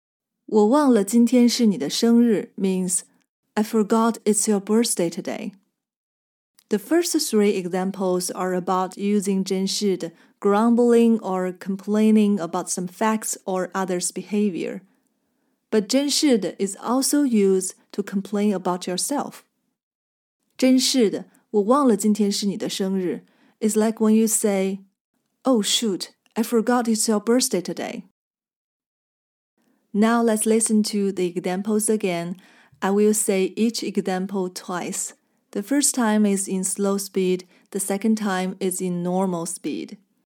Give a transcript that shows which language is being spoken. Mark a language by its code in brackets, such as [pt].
[zh] 真是的,我忘了今天是你的生日。我忘了今天是你的生日 [en] means I forgot it's your birthday today. The first three examples are about using 真是的, grumbling or complaining about some facts or others' behavior. But 真是的 is also used to complain about yourself. [zh] 真是的,我忘了今天是你的生日 [en] is like when you say, oh shoot, I forgot it's your birthday today. Now let's listen to the examples again. I will say each example twice. The first time is in slow speed, the second time is in normal speed.